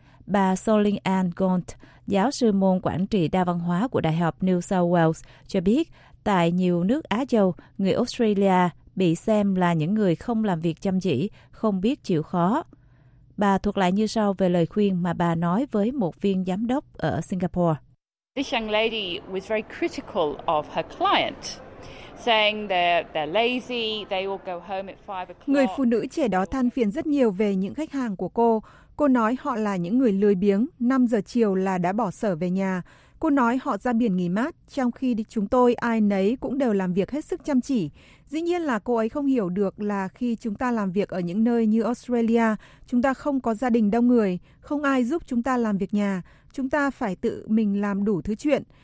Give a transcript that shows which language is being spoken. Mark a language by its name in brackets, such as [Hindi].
[Vietnamese] Bà Soling Ann Gaunt, giáo sư môn quản trị đa văn hóa của Đại học New South Wales, cho biết tại nhiều nước Á Châu, người Australia bị xem là những người không làm việc chăm chỉ, không biết chịu khó. Bà thuật lại như sau về lời khuyên mà bà nói với một viên giám đốc ở Singapore. [English] This young lady was very critical of her client, saying they're lazy, they will go home at 5 o'clock. [Vietnamese] Người phụ nữ trẻ đó than phiền rất nhiều về những khách hàng của cô. Cô nói họ là những người lười biếng, 5 giờ chiều là đã bỏ sở về nhà. Cô nói họ ra biển nghỉ mát, trong khi chúng tôi ai nấy cũng đều làm việc hết sức chăm chỉ. Dĩ nhiên là cô ấy không hiểu được là khi chúng ta làm việc ở những nơi như Australia, chúng ta không có gia đình đông người, không ai giúp chúng ta làm việc nhà, chúng ta phải tự mình làm đủ thứ chuyện.